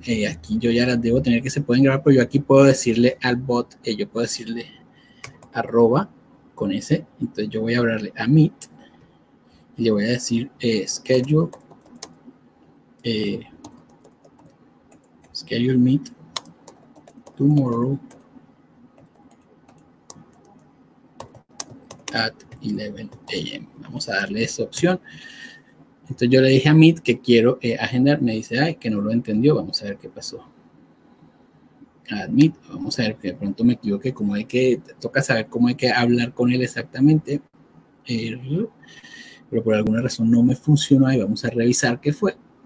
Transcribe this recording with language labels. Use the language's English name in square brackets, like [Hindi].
[Spanish] Aquí yo ya las debo tener que se pueden grabar, pero yo aquí puedo decirle al bot, yo puedo decirle arroba con ese. Entonces, yo voy a hablarle a Meet y le voy a decir schedule. [English] Schedule meet tomorrow at 11 a.m. [Spanish] Vamos a darle esa opción. Entonces yo le dije a Meet que quiero agendar. Me dice, ay, que no lo entendió. Vamos a ver qué pasó. Admit, vamos a ver, que de pronto me equivoqué, como hay que, toca saber cómo hay que hablar con él exactamente, pero por alguna razón no me funcionó y vamos a revisar qué fue.